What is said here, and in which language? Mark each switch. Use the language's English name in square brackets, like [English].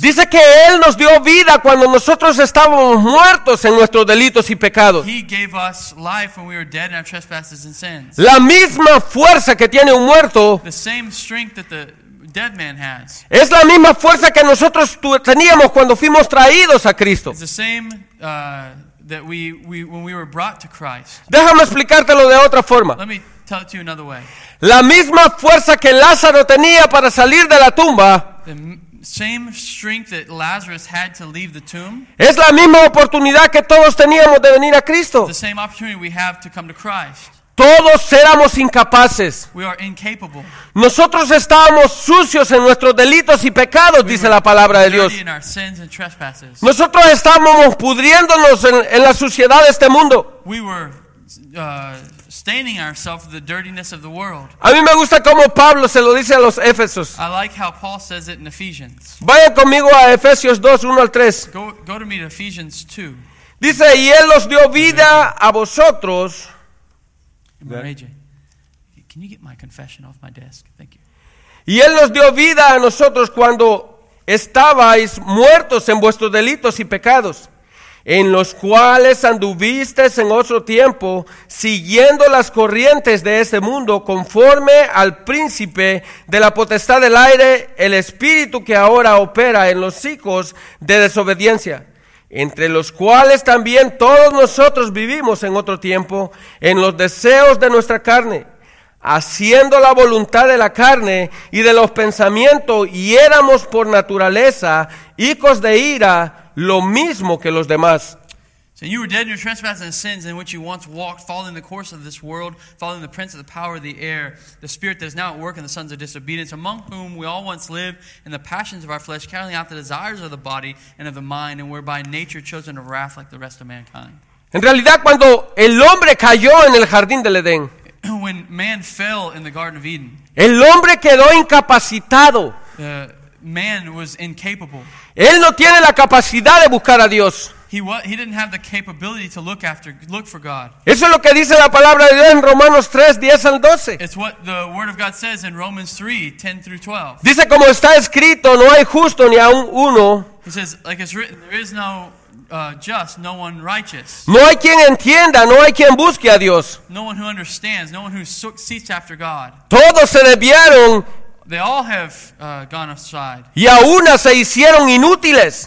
[Spanish] Dice que Él nos dio vida cuando nosotros estábamos muertos en nuestros delitos y pecados. [English] He gave us life when we were dead in our trespasses and sins. [Spanish] La misma fuerza que tiene un muerto, [English] the same strength that the dead man has, [Spanish] es la misma fuerza que nosotros teníamos cuando fuimos traídos a Cristo. [English] It's the same that we when we were brought to Christ. [Spanish] Déjame explicártelo de otra forma. [English] Let me tell it to you another way. [Spanish] La misma fuerza que Lázaro tenía para salir de la tumba, [English] the same strength that Lazarus had to leave the tomb, [Spanish] es la misma oportunidad que todos teníamos de venir a Cristo. [English] The same opportunity we have to come to Christ. [Spanish] Todos éramos incapaces. [English] We are incapable. [Spanish] Nosotros estábamos sucios en nuestros delitos y pecados, dice la palabra de Dios. [English] In our sins and trespasses. [Spanish] Nosotros estábamos pudriéndonos en la suciedad de este mundo. [English] We were staining ourselves with the dirtiness of the world. [Spanish] A mí me gusta cómo Pablo se lo dice a los Éfesos. [English] I like how Paul says it in Ephesians. [Spanish] Vaya conmigo a Efesios 2:1 al 3. [English] Go to me to Ephesians 2. [Spanish] Dice, y Él nos dio vida a vosotros. [English] That. Can you get my confession off my desk? Thank you. [Spanish] Y Él nos dio vida a nosotros cuando estabais muertos en vuestros delitos y pecados, en los cuales anduviste en otro tiempo, siguiendo las corrientes de este mundo, conforme al príncipe de la potestad del aire, el espíritu que ahora opera en los hijos de desobediencia, entre los cuales también todos nosotros vivimos en otro tiempo, en los deseos de nuestra carne, haciendo la voluntad de la carne y de los pensamientos, y éramos por naturaleza hijos de ira, lo mismo que los demás. [English] So you were dead in your trespasses and sins, in which you once walked, following the course of this world, following the prince of the power of the air, the spirit that is now at work in the sons of disobedience, among whom we all once lived in the passions of our flesh, carrying out the desires of the body and of the mind, and were by nature chosen of wrath like the rest of mankind. [Spanish] En realidad, cuando el hombre cayó en el jardín del Edén, [English] when man fell in the Garden of Eden, [Spanish] el hombre quedó incapacitado. [English] Man was incapable. [Spanish] Él no tiene la capacidad de buscar a Dios. [English] He didn't have the capability to look for God. [Spanish] Eso es lo que dice la palabra de Dios en Romanos 3, 10 al 12. [English] It's what the word of God says in Romans 3, 10 through 12. [Spanish] Dice, como está escrito, no hay justo ni aun uno. [English] He says, like it's written, there is no just, no one righteous. [Spanish] No hay quien entienda, no hay quien busque a Dios. [English] No one who understands, no one who seeks after God. [Spanish] Todos se desviaron. [English] They all have gone aside. [Spanish] Y a una se hicieron inútiles.